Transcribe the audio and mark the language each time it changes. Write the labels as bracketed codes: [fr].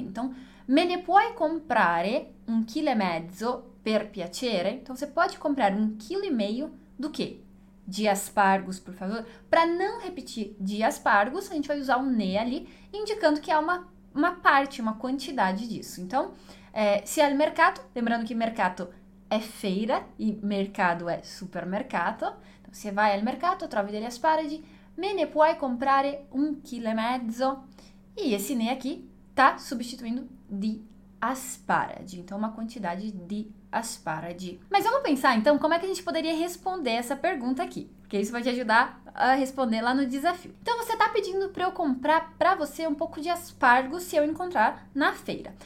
[pt] Então, [it] me ne puoi comprare 1,5 kg per piacere? [pt] Então, você pode comprar 1,5 kg do quê? De aspargos, por favor. Para não repetir de aspargos, a gente vai usar um ne ali, indicando que é uma parte, uma quantidade disso. Então, [it] se al mercato, [pt] lembrando que mercato é feira e mercado é supermercato. [it] Então, se vai al mercato, trovi degli asparagi, me ne puoi comprare 1,5 kg. [pt] E esse ne aqui tá substituindo di asparagi, então uma quantidade de asparagi. Mas vamos pensar então como é que a gente poderia responder essa pergunta aqui, porque isso vai te ajudar a responder lá no desafio. Então você está pedindo para eu comprar para você um pouco de aspargo se eu encontrar na feira.